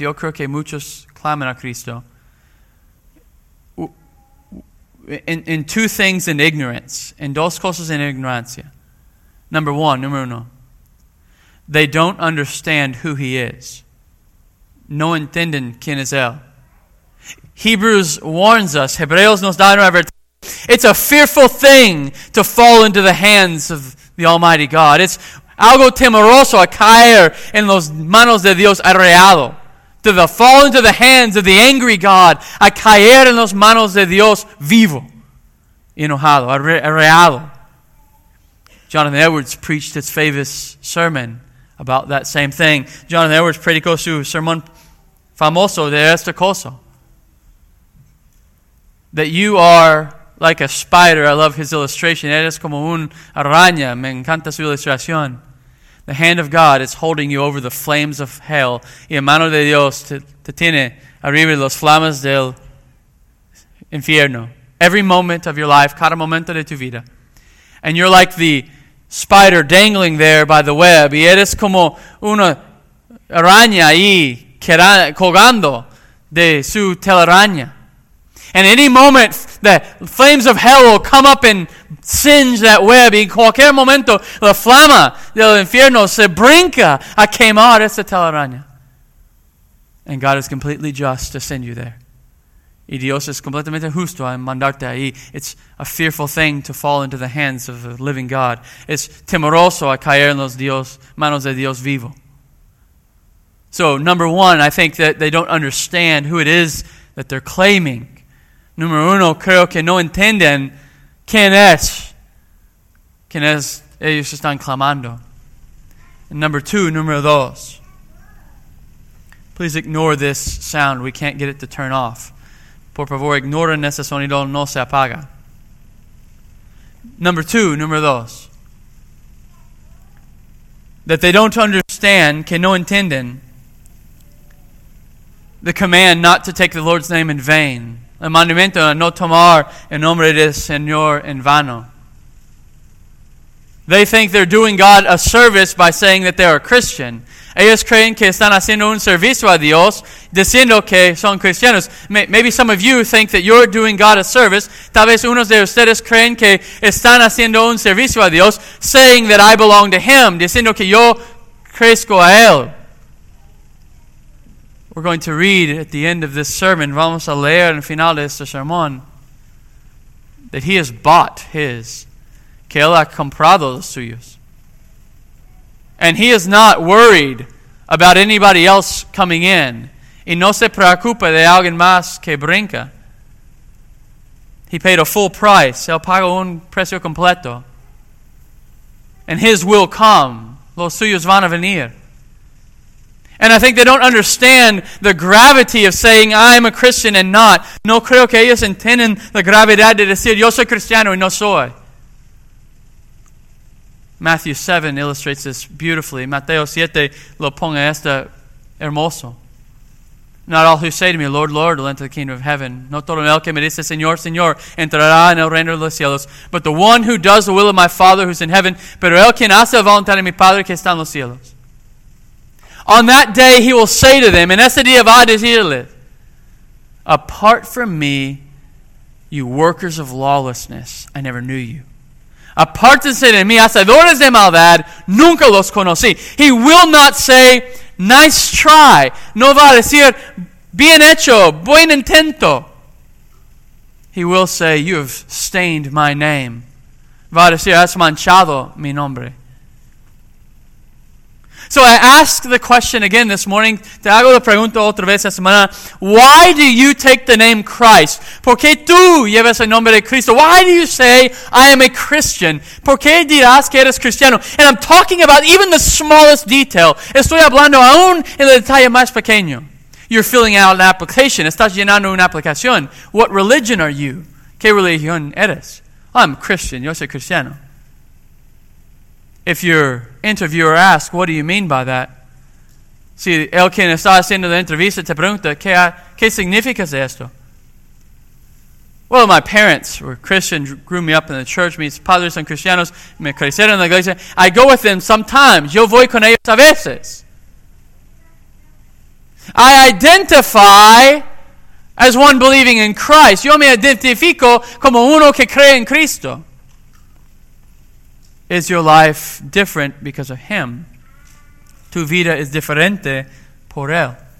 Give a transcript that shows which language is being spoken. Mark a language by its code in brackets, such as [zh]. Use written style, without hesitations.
[es] Yo creo que muchos claman a Cristo. [en] In two things in ignorance. [es] In dos cosas en ignorancia. [en] Number one, [es] número uno. [en] They don't understand who he is. No entienden quién es él. Hebrews warns us. [es] Hebreos nos da una advertencia. [en] It's a fearful thing to fall into the hands of the Almighty God. It's [es] algo temeroso a caer en los manos de Dios arreado. [en] To fall into the hands of the angry God, [es] a caer en los manos de Dios vivo, enojado, arreado. [en] Jonathan Edwards preached his famous sermon about that same thing. [es] Jonathan Edwards predicó su sermón famoso de esta cosa. [en] That you are like a spider. I love his illustration. [es] Eres como un araña. Me encanta su ilustración. [en] The hand of God is holding you over the flames of hell. [es] Y la mano de Dios te tiene arriba de las flamas del infierno. [en] Every moment of your life, [es] cada momento de tu vida. [en] And you're like the spider dangling there by the web. [es] Y eres como una araña ahí colgando de su telaraña. [en] And any moment, the flames of hell will come up and singe that web. Y en cualquier momento, la flama del infierno se brinca a quemar esa telaraña. And God is completely just to send you there. [es] Y Dios es completamente justo en mandarte ahí. [en] It's a fearful thing to fall into the hands of the living God. [es] Es temeroso a caer en los manos de Dios vivo. [en] So, number one, I think that they don't understand who it is that they're claiming. [es] Número uno, creo que no entienden quién es ellos están clamando. [en] And number two, [es] número dos. [en] Please ignore this sound. We can't get it to turn off. [es] Por favor, ignoren ese sonido. No se apaga. [en] Number two, [es] número dos. [en] That they don't understand, [es] que no entienden, [en] the command not to take the Lord's name in vain. [es] El mandamiento a no tomar el nombre del Señor en vano. [en] They think they're doing God a service by saying that they're a Christian. [es] Ellos creen que están haciendo un servicio a Dios diciendo que son cristianos. [en] Maybe some of you think that you're doing God a service. [es] Tal vez unos de ustedes creen que están haciendo un servicio a Dios [en] saying that I belong to Him, [es] diciendo que yo crezco a Él. [en] We're going to read at the end of this sermon, [es] vamos a leer en el final de este sermón, [en] that he has bought his, [es] que él ha comprado los suyos. [en] And he is not worried about anybody else coming in. [es] Y no se preocupa de alguien más que brinca. [en] He paid a full price. [es] Él pagó un precio completo. [en] And his will come. [es] Los suyos van a venir. [en] And I think they don't understand the gravity of saying, I'm a Christian and not. [es] No creo que ellos entiendan la gravedad de decir, yo soy cristiano y no soy. [en] Matthew 7 illustrates this beautifully. [es] Mateo 7 lo ponga esta hermoso. [en] Not all who say to me, Lord, Lord, will enter the kingdom of heaven. [es] No todo el que me dice, Señor, Señor, entrará en el reino de los cielos. [en] But the one who does the will of my Father who's in heaven, [es] pero el quien hace la voluntad de mi Padre que está en los cielos. [en] On that day he will say to them, [es] en ese día va a decirles, [en] apart from me, you workers of lawlessness, I never knew you. [es] Apartense de mí, hacedores de maldad, nunca los conocí. [en] He will not say, nice try. [es] No va a decir, bien hecho, buen intento. [en] He will say, you have stained my name. [es] Va a decir, has manchado mi nombre. [en] So I ask the question again this morning. [es] Te hago la pregunta otra vez esta semana. [en] Why do you take the name Christ? [es] ¿Por qué tú llevas el nombre de Cristo? [en] Why do you say, I am a Christian? [es] ¿Por qué dirás que eres cristiano? [en] And I'm talking about even the smallest detail. [es] Estoy hablando aún en el detalle más pequeño. [en] You're filling out an application. [es] Estás llenando una aplicación. [en] What religion are you? [es] ¿Qué religión eres? [en] I'm Christian. [es] Yo soy cristiano. [en] If your interviewer asks, what do you mean by that? [es] Si el quien está haciendo la entrevista te pregunta, ¿qué significa esto? [en] Well, my parents were Christian, grew me up in the church. [es] Mis padres son cristianos, me crecieron en la iglesia. [en] I go with them sometimes. [es] Yo voy con ellos a veces. [en] I identify as one believing in Christ. [es] Yo me identifico como uno que cree en Cristo. [en] Is your life different because of Him? [es] Tu vida es diferente por Él.